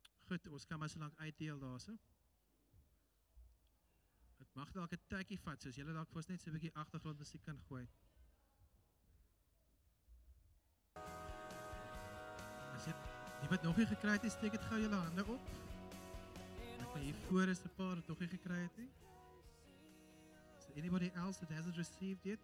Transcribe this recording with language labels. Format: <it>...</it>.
<af>Goed, ons kan maar so lank uitdeel daarso. Het mag dalk 'n tikkie vat, soos julle dalk voors net so 'n bietjie agtergrondmusiek kan gooi. As jy die wat nog nie gekry het, steek dit gou julle hande op. Ek hier voor is 'n paar wat nog nie gekry het nie.</af> <en>Is there anybody else that hasn't received yet?</en>